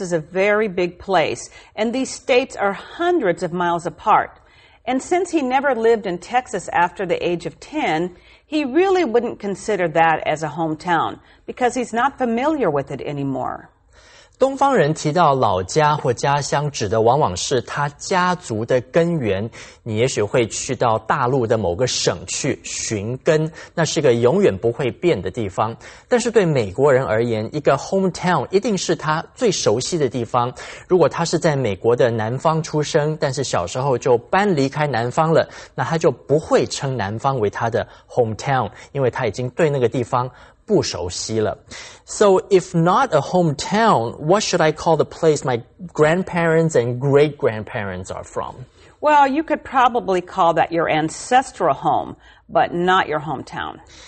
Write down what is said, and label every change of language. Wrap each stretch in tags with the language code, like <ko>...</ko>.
<en>is a very big place, and these states are hundreds of miles apart. And since he never lived in Texas after the age of 10, he really wouldn't consider that as a hometown, because he's not familiar with it anymore.</en> <zh>东方人提到老家或家乡指的往往是他家族的根源，你也许会去到大陆的某个省去寻根，那是个永远不会变的地方。但是对美国人而言，一个 hometown 一定是他最熟悉的地方。如果他是在美国的南方出生，但是小时候就搬离开南方了，那他就不会称南方为他的 hometown， 因为他已经对那个地方不熟悉了。</zh> <en>So if not a hometown, what should I call the place my grandparents and great-grandparents are from? Well, you could probably call that your ancestral home, but not your hometown.</en>